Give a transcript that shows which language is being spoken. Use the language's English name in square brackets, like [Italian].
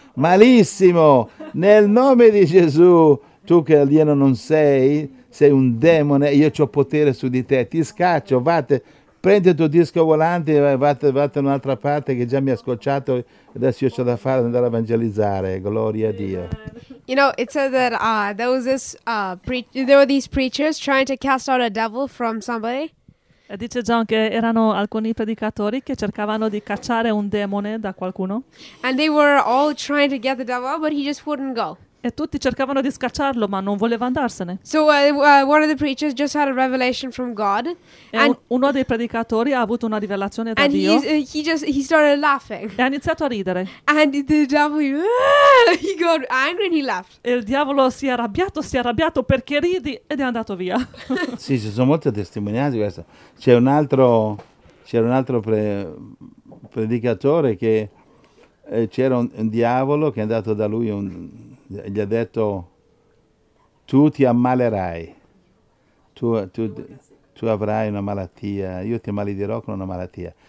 [Italian] Malissimo, nel nome di Gesù, tu che alieno non sei, sei un demone, io ho potere su di te, ti scaccio, vate, prendi il tuo disco volante e vate in un'altra parte che già mi ha scocciato, adesso io c'ho da fare, andare a evangelizzare, gloria a Dio. [English] You know, it said that there were these preachers trying to cast out a devil from somebody. [Italian] Dice John che erano alcuni predicatori che cercavano di cacciare un demone da qualcuno. [English] And they were all trying to get the devil, but he just wouldn't go. [Italian] E tutti cercavano di scacciarlo, ma non voleva andarsene. [English] So one of the preachers just had a revelation from God. [Italian] Uno dei predicatori ha avuto una rivelazione da Dio. [English] And he started laughing. [Italian] E ha iniziato a ridere. [English] And the devil, he got angry and he laughed. [Italian] E il diavolo si è arrabbiato perché ridi ed è andato via. Sì, ci sono molte testimonianze di questo. C'era un altro predicatore che c'era un diavolo che è andato da lui gli ha detto, tu ti ammalerai, tu avrai una malattia, io ti maledirò con una malattia.